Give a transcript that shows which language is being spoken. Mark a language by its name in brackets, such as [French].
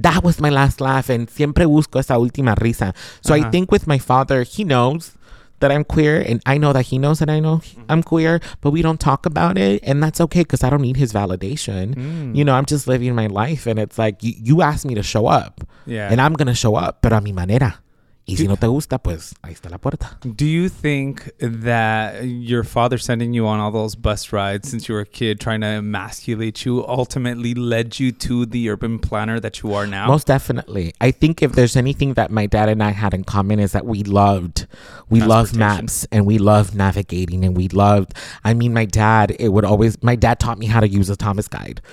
[English] That was my last laugh. And [Spanish] siempre busco esa última risa. [English] So uh-huh. I think with my father, he knows that I'm queer, and I know that he knows that I know I'm queer, but we don't talk about it, and that's okay because I don't need his validation. Mm. You know, I'm just living my life, and it's like you asked me to show up, yeah, and I'm gonna show up, [Spanish] pero a mi manera. Y si no te gusta, pues ahí está la puerta. [English] Do you think that your father sending you on all those bus rides since you were a kid, trying to emasculate you, ultimately led you to the urban planner that you are now? Most definitely. I think if there's anything that my dad and I had in common is that we love maps and we love navigating and my dad taught me how to use a Thomas guide.